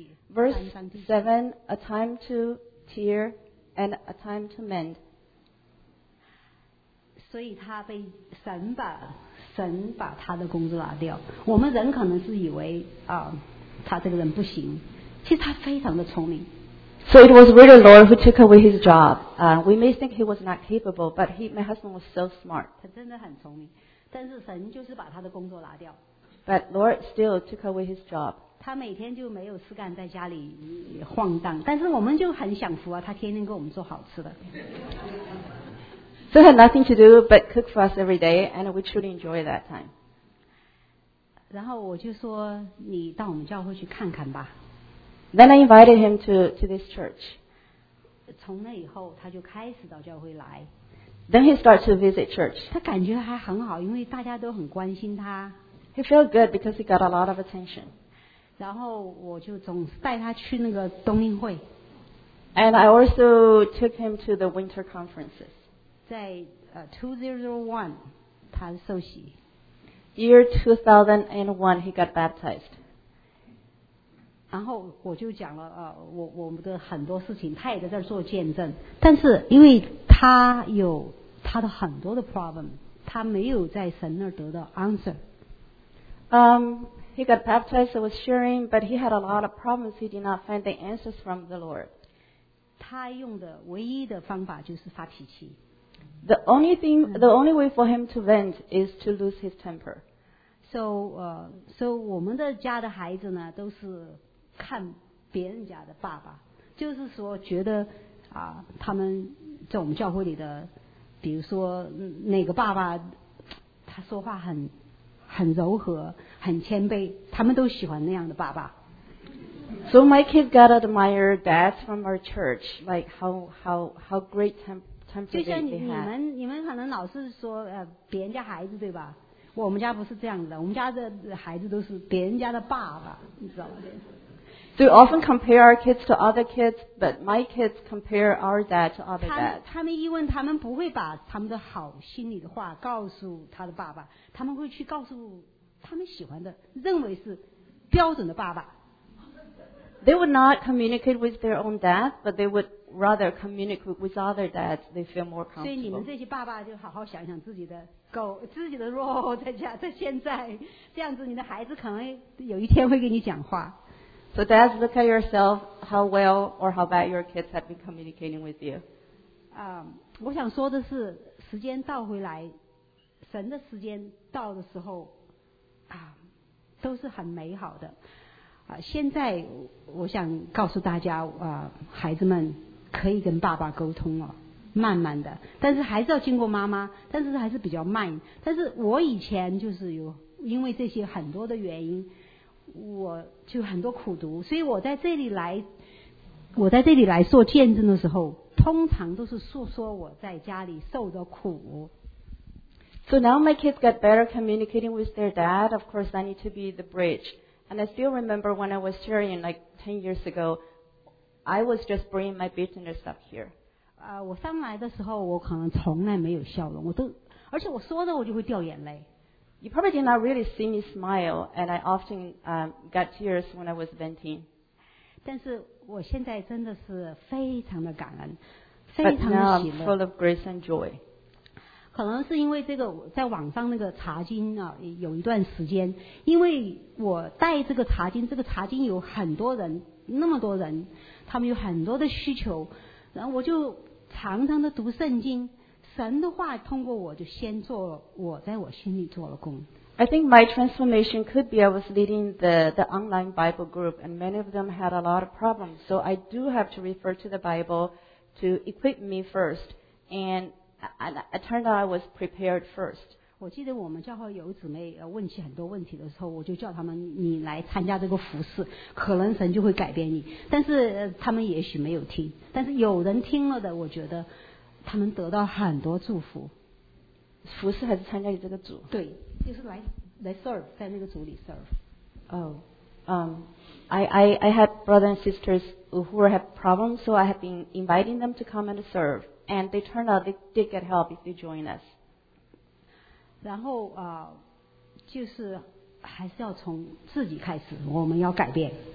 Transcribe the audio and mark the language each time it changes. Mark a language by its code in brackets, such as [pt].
[en] Verse 7, a time to tear and a time to mend. [zh] 所以他被神把他的工作拿掉。我们人可能是以为他这个人不行，其实他非常的聪明。 [en] So it was really the Lord who took away his job. We may think he was not capable, but my husband was so smart. [zh] 他真的很聪明，但是神就是把他的工作拿掉。 [en] But Lord still took away his job. [zh] 他每天就没有事干，在家里晃荡。但是我们就很享福啊，他天天给我们做好吃的。 [en] So he had nothing to do but cook for us every day, and we truly enjoyed that time. [zh] 然后我就说，你到我们教会去看看吧。 [en] Then I invited him to this church. [zh] 从那以后，他就开始到教会来。 [en] Then he started to visit church. [zh] 他感觉还很好，因为大家都很关心他。 [en] He felt good because he got a lot of attention. [zh] 然后我就总带他去那个冬令会。 [en] And I also took him to the winter conferences. [zh] 在2001，他受洗。 [en] Year 2001, he got baptized. [zh] 然后我就讲了我们的很多事情，他也在这儿做见证。但是因为他有他的很多的 problem， 他没有在神那儿得到 answer。 [en] He got baptized, was sharing, but he had a lot of problems. He did not find the answers from the Lord. [zh] 他用的唯一的方法就是发脾气。 [en] The only way for him to vent is to lose his temper. [zh] So 我们的家的孩子呢都是。看别人家的爸爸，就是说觉得他们在我们教会里的，比如说哪个爸爸，他说话很柔和，很谦卑，他们都喜欢那样的爸爸。 [en] So my kids got to admire that from our church, like how great temperament they have. [zh] 就像你们可能老是说别人家孩子对吧？我们家不是这样的，我们家的孩子都是别人家的爸爸，你知道吗？ [en] So we often compare our kids to other kids, but my kids compare our dad to other dads. [zh] 他们一问，他们不会把他们的好心里的话告诉他的爸爸，他们会去告诉他们喜欢的，认为是标准的爸爸。 [en] They would not communicate with their own dad, but they would rather communicate with other dads. They feel more comfortable. [zh] 所以你们这些爸爸就好好想想自己的狗，自己的 role 在家，在现在，这样子你的孩子可能有一天会跟你讲话。 [en] So dads, look at yourself, how well or how bad your kids have been communicating with you. [zh] 我想说的是，时间倒回来，神的时间到的时候，都是很美好的。现在我想告诉大家，孩子们可以跟爸爸沟通了，慢慢的，但是还是要经过妈妈，但是还是比较慢。但是我以前就是有因为这些很多的原因。我就很多苦读，所以我在这里来做见证的时候，通常都是诉说我在家里受的苦。 [en] So now my kids get better communicating with their dad. Of course, I need to be the bridge. And I still remember when I was sharing like 10 years ago, I was just bringing my bitterness up here. [zh] 我上来的时候，我可能从来没有笑容，而且我说着我就会掉眼泪。 [en] You probably did not really see me smile, and I often got tears when I was venting. [zh] 但是我现在真的是非常的感恩，非常的喜乐。 [en] But now I'm full of grace and joy. [zh] 可能是因为这个，在网上那个查经啊，有一段时间，因为我带这个查经有很多人，那么多人，他们有很多的需求，然后我就常常的读圣经。神的话通过我就先做我在我心里做了工。 [en] I think my transformation could be I was leading the online Bible group and many of them had a lot of problems. So I do have to refer to the Bible to equip me first. And it turned out I was prepared first. [zh] 我记得我们教会有姊妹问起很多问题的时候，我就叫他们你来参加这个服事，可能神就会改变你。但是他们也许没有听，但是有人听了的，我觉得。他们得到很多祝福，服侍还是参加你这个组？对，就是来 serve 在那个组里 serve。 [en] I had brothers and sisters who have problems, so I have been inviting them to come and serve, and they turned out they did get help if they join us. [zh] 然后就是还是要从自己开始，我们要改变。